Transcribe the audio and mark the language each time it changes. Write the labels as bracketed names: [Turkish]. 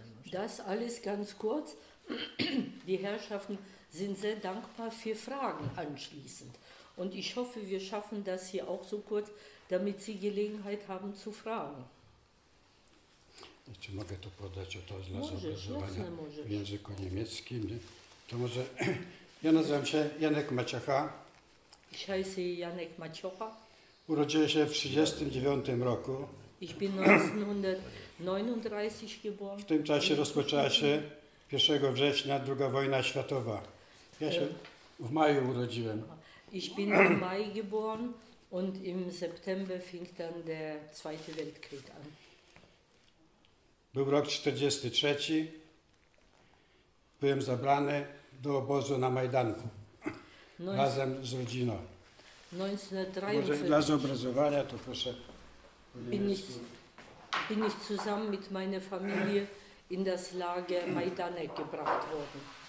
[German] Das alles ganz kurz. Die Herrschaften sind sehr dankbar für Fragen anschließend. Und ich hoffe, wir schaffen das hier auch so kurz, damit Sie Gelegenheit haben zu fragen. [Polish] Czy mogę to podać o to dla zobrazowania w języku niemieckim? Nie? To może ja nazywam się Janek Maciocha. [German] Ich heiße Janek Maciocha. [Polish] Urodziłem się w 1939 roku. [German] Ich bin 1939 geboren. [Polish] W tym czasie rozpoczęła się 1 września II wojna światowa. Ja się w maju urodziłem. [German] Ich bin im Mai geboren und im September fing dann der Zweite Weltkrieg an. [Polish] Był rok 43. Byłem zabrany do obozu na Majdanku. Razem z rodziną. 1943. Dla zobrazowania to proszę. [German] Bin ich zusammen mit meiner Familie in das Lager Majdanek gebracht worden.